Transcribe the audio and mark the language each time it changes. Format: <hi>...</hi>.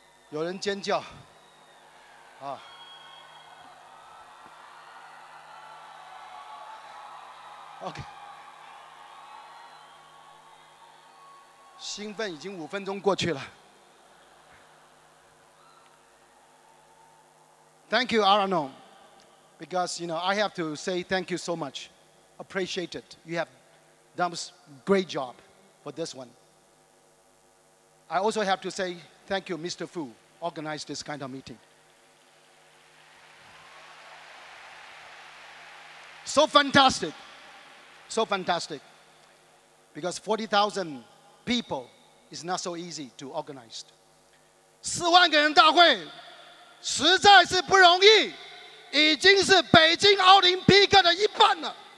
<zh>有人尖叫，啊！ OK， 兴奋已经五分钟过去了。</zh> <en>Thank you, Arano, because you know I have to say thank you so much. Appreciate it. You have done a great job for this one. I also have to say thank you, Mr. Fu, organized this kind of meeting. So fantastic. So fantastic, because 40,000 people is not so easy to organize.</en> <zh>四万个人大会实在是不容易，已经是北京奥林匹克的一半了。</zh>